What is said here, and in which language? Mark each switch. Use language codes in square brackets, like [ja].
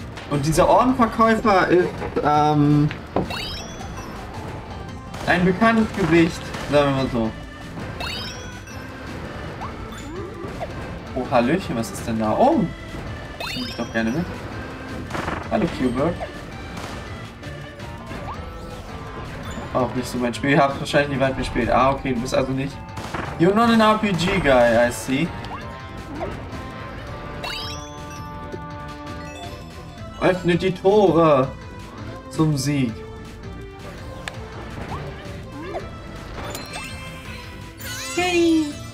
[de] Und dieser Ordenverkäufer ist, ein bekanntes Gewicht, sagen wir mal so. Oh, Hallöchen, was ist denn da oben? Oh, nehme ich doch gerne mit. Hallo, Q-Bird. Auch nicht so mein Spiel. Ich hab wahrscheinlich nicht weit gespielt. Ah, okay, du bist also nicht... [en] You're not an RPG-Guy, I see. [de] Öffnet die Tore zum Sieg. Hey.